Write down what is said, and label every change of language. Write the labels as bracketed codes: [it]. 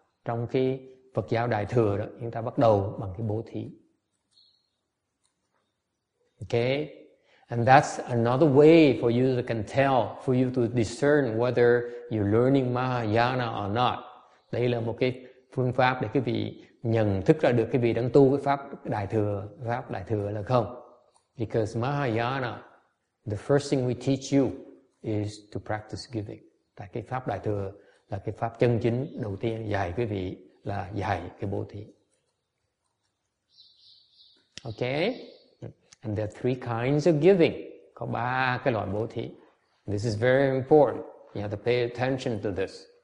[vi] Trong khi Phật giáo Đại Thừa đó, chúng ta bắt đầu bằng cái bố thí. [en] Okay? And that's another way for you to can tell, for you to discern whether you're learning Mahayana or not. [vi] Đây là một cái phương pháp để quý vị nhận thức ra được quý vị đang tu cái Pháp Đại Thừa là không. [en] Because Mahayana, the first thing we teach you is to practice giving. [vi] Tại cái Pháp Đại Thừa là cái Pháp chân chính đầu tiên dạy quý vị là dạy cái bố thí. [en] Okay? And there are 3 kinds of giving. [vi] Có 3 cái loại bố thí. [en] This is very important. You have to pay attention to this.